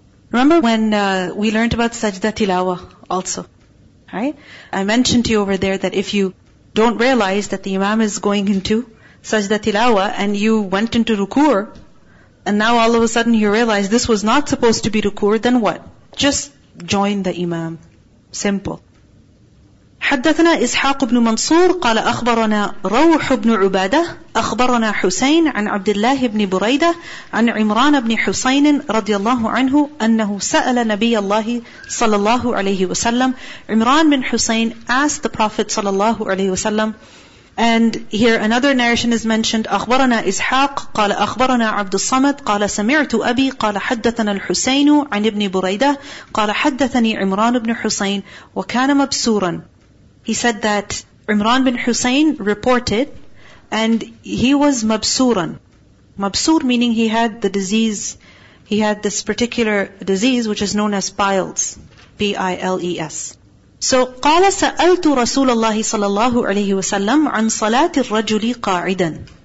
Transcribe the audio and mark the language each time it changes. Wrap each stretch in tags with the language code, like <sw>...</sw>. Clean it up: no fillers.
<en>Remember when we learned about sajda tilawa also, right? I mentioned to you over there that if you don't realize that the imam is going into sajda tilawa and you went into ruku', and now all of a sudden you realize this was not supposed to be ruku', then what? Just join the imam. Simple.</en> <ar>حدثنا إسحاق بن منصور قال أخبرنا روح بن عبادة أخبرنا حسين عن عبد الله بن بريدة عن عمران بن حسين رضي الله عنه أنه سأل نبي الله صلى الله عليه وسلم.</ar> <en>عمران بن حسين asked the Prophet صلى الله عليه وسلم. And here another narration is mentioned.</en> <ar>أخبرنا إسحاق قال أخبرنا عبد الصمد قال سمعت أبي قال حدثنا الحسين عن ابن بريدة قال حدثني عمران بن حسين وكان مبسورا.</ar> <en>He said that Imran bin Hussein reported, and he was mabsuran. Mabsur meaning he had the disease, he had this particular disease which is known as piles, P-I-L-E-S.</en> <ar>So, قَالَ سَأَلْتُ رَسُولَ اللَّهِ صَلَى اللَّهُ عَلَيْهِ وَسَلَّمْ عَنْ صَلَاةِ الرَّجُلِ قَاعِدًا.</ar>